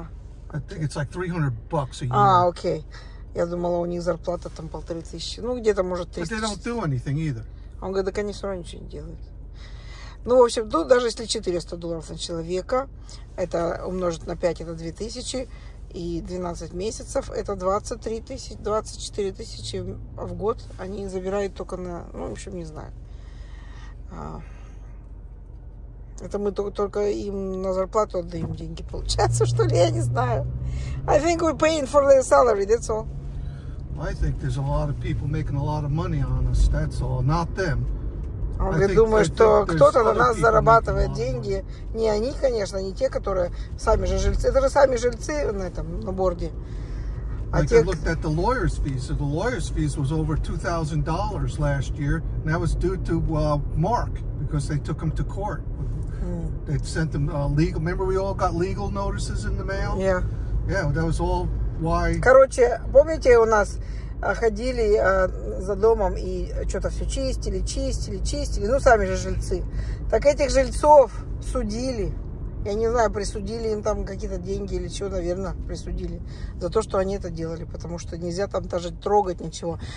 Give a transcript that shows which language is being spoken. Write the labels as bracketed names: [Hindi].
[English] Okay. I think it's like $300 a year. Ah, okay. [Russian] Я думала, у них зарплата там 1500. Ну, где-то, может, 300. [English] But they don't do anything either. [Russian] Он говорит, так они все равно ничего не делают. Ну, в общем, ну, даже если $400 на человека, это умножить на 5, это 2000, и 12 месяцев, это 23 тысячи, 24 тысячи в год они забирают только на... Ну, в общем, не знаю. Это мы только им на зарплату отдаем деньги, получается, что ли, я не знаю. [English] I think we're paying for their salary, that's all. I think there's a lot of people making a lot of money on us, that's all, not them. [Russian] Он говорит, думаю, что кто-то на нас зарабатывает деньги. Не они, конечно, не те, которые сами же жильцы. Это же сами жильцы на этом, на борде. [English] А like те... I looked at the lawyer's fees. So the lawyer's fees was over $2,000 last year. And that was due to Mark, because they took him to court. They sent him legal... Remember we all got legal notices in the mail? Yeah. Yeah, that was all why... [Russian] Короче, помните у нас... ходили за домом и что-то все чистили, ну, сами же жильцы. Так этих жильцов судили, я не знаю, присудили им там какие-то деньги или чего, наверное, присудили за то, что они это делали, потому что нельзя там даже трогать ничего.